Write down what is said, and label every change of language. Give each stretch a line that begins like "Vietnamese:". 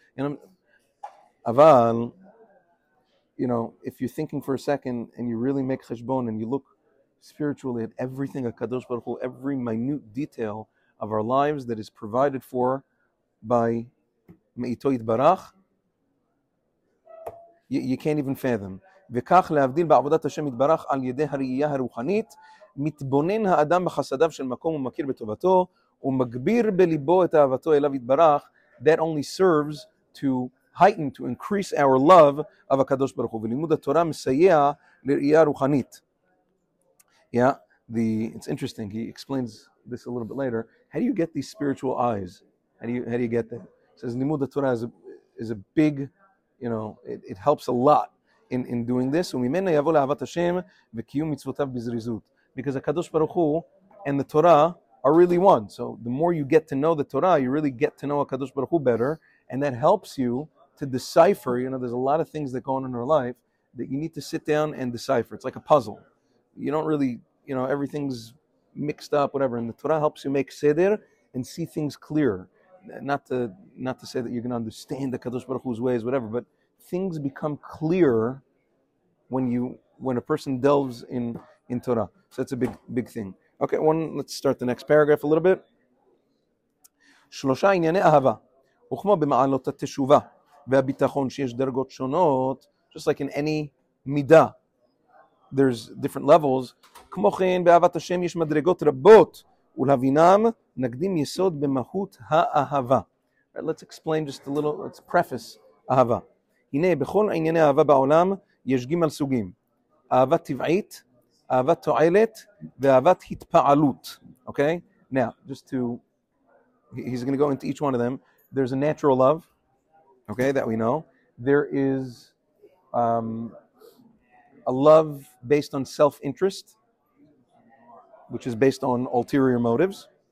English: And aval, you know, if you're thinking for a second and you really make cheshbon and you look spiritually at everything a Kadosh Baruch Hu, every minute detail of our lives that is provided for by Me'ito Yitbarach, you can't even fathom.
Hebrew: וכך להבדיל בעבודת השם יתברך על ידי הראייה הרוחנית, מתבונן האדם בחסדיו של מקום ומכיר בטובתו, ומגביר בליבו את אהבתו אליו יתברך.
English: That only serves to heighten, to increase our love of הקדוש ברוך הוא.
Hebrew: ולימוד התורה מסייע לראייה רוחנית.
English: Yeah, it's interesting. He explains this a little bit later. How do you get these spiritual eyes? How do you get that? It says לימוד התורה is a big, you know, it helps a lot in doing this.
Hebrew: וממנה יבוא לאהבת השם וקיום מצוותיו בזריזות.
English: Because הקדוש ברוך הוא and the Torah are really one. So the more you get to know the Torah, you really get to know HaKadosh Baruch Hu better, and that helps you to decipher. You know, there's a lot of things that go on in our life that you need to sit down and decipher. It's like a puzzle. You don't really, you know, everything's mixed up, whatever, and the Torah helps you make seder and see things clearer. Not to say that you're going to understand the HaKadosh Baruch Hu's ways, whatever, but things become clearer when a person delves in Torah. So that's a big thing. Okay, let's start the next paragraph a little bit.
Hebrew: שלושה ענייני אהבה, וכמו במעלות התשובה והביטחון שיש דרגות שונות,
English: just like in any מידה, there's different levels.
Hebrew: כמו כן, באהבת השם יש מדרגות רבות, ולהבינם נקדים יסוד במהות האהבה.
English: Right, let's explain just a little, let's preface אהבה.
Hebrew: הנה, בכל ענייני אהבה בעולם יש גימל סוגים. אהבה טבעית, אהבת תועלת ואהבת התפעלות.
English: Okay, now just to, he's going to go into each one of them. There's a natural love, okay, that we know. There is a love based on self-interest, which is based on ulterior motives.